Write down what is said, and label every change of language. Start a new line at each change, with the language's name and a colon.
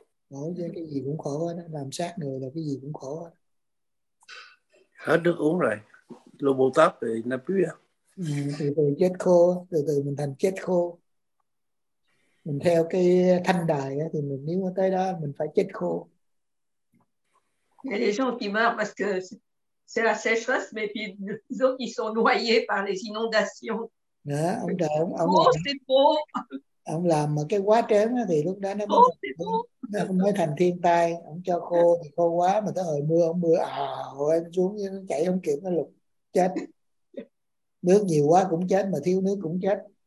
Vietnamese: Khổ chứ, cái gì cũng khổ đó. Làm sát người là cái gì cũng khổ đó. Hết nước uống rồi, lô bồ tát thì nó biết không? Từ từ chết khô, từ từ mình thành chết khô. Mình theo cái thanh đài ấy, thì mình nếu mà tới đó mình phải chết khô.
French: Il y a des gens qui meurent parce que c'est la sécheresse, mais puis les autres qui sont noyés par les inondations.
Vietnamese: Đó, ông trời, ông
French: là, c'est beau.
Vietnamese: Ông làm mà cái quá trớn thì lúc đó nó mới thành thiên tai. Ông cho khô thì khô quá, mà tới hồi mưa, ông mưa ào em xuống như nó chảy không kịp, nó lụt chết. Nước nhiều quá cũng chết, mà thiếu nước cũng chết.